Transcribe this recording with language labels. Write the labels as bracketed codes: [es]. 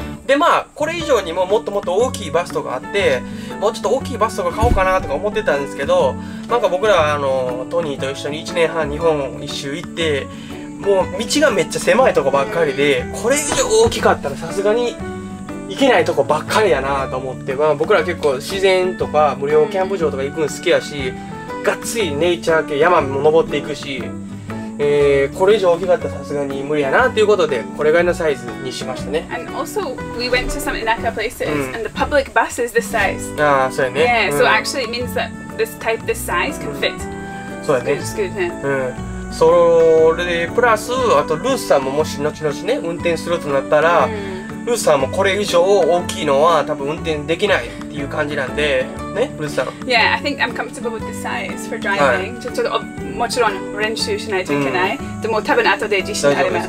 [ja] でまあこれ以上にももっともっと大きいバストがあって、もうちょっと大きいバストが買おうかなとか思ってたんですけど、なんか僕らあのトニーと一緒に1年半日本一周行って、もう道がめっちゃ狭いとこばっかりで、これ以上大きかったらさすがに行けないとこばっかりやなと思って、まあ僕ら結構自然とか無料キャンプ場とか行くの好きやし、がっつりネイチャー系山も登っていくし、これ以上大きかったらさすがに無理やなということで、これぐらいのサイズにしましたね。 [en] And also we went to some Naka places、うん、and the public bus is this size. [ja] ああ、そうやね。 [en] Yeah,、うん、so actually it means that this type, this size can fit. [ja] そうやね。 [en] It's good, [ja] ね。 うん。それでプラス、あとルースさんももし後々ね、運転するとなったら、うん、ルースさんもこれ以上大きいのは多分運転できないっていう感じなんで、ね、ルースさん。 [en] Yeah, I think I'm comfortable with this size for driving.、 [ja] はい、もちろん練習しないといけない、うん、でも多分後で自信あります。